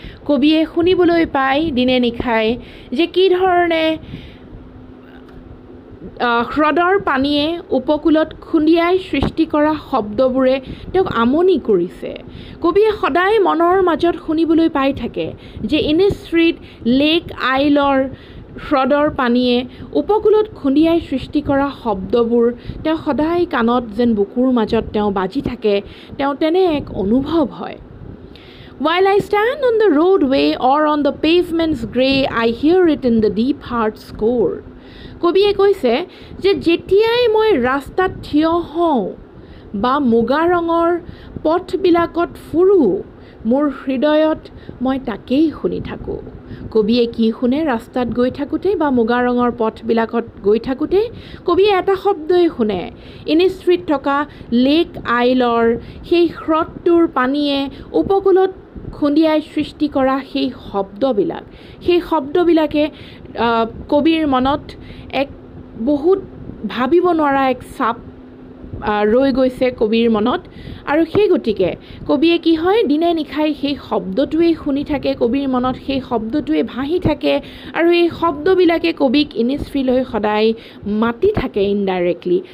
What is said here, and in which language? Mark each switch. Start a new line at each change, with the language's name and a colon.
Assamese: কবিয়ে শুনিবলৈ পায় দিনে নিশাই যে কি ধৰণে হ্ৰদৰ পানীয়ে উপকূলত খুন্দিয়াই সৃষ্টি কৰা শব্দবোৰে তেওঁক আমনি কৰিছে। কবিয়ে সদায় মনৰ মাজত শুনিবলৈ পাই থাকে যে ইনিষ্ট্ৰীত লেক আইলৰ হ্রদর পানিয়ে উপকূলত খুন্দিয়াই সৃষ্টি করা শব্দবুর সদায় কানত যেন বুকুর মাজত বাজি থাকে তেনে এক অনুভব হয়।
English: While I stand on the roadway or on the pavement's gray, I hear it in the deep heart's core.
Assamese: কবিয়ে কৈছে যে যেতিয়াই মই রাস্তাত থিয় হওঁ বা মুগা রঙৰ পথবিলাকত ফুৰো মোৰ হৃদয়ত মই তাকেই শুনি থাকো। কবিয়ে কি শুনে রাস্তাত গৈ থাকোঁতে বা মুগা রঙৰ পথবিলাকত গৈ থাকোঁতে? কবিয়ে এটা শব্দই শুনে, ইনিষ্ট্ৰীত থকা লেক আইলৰ সেই হ্রদটোৰ পানীয়ে উপকূলত খুন্দিয়াই সৃষ্টি করা সেই শব্দবিলাক। সেই শব্দবিলাকে কবিৰ মনত এক বহুত ভাবিব নোৱাৰা এক চাপ রয়ে গৈছে কবিৰ মনত। আৰু সেই গতিকে কবিয়ে কি হয়, দিনে নিশাই সেই শব্দটোৱেই শুনি থাকে, কবিৰ মনত সেই শব্দটোৱে ভাহি থাকে, আৰু এই শব্দবিলাকে কবিক ইনিষ্ট্ৰীলৈ সদায় মাতি থাকে ইনডাইৰেক্টলি।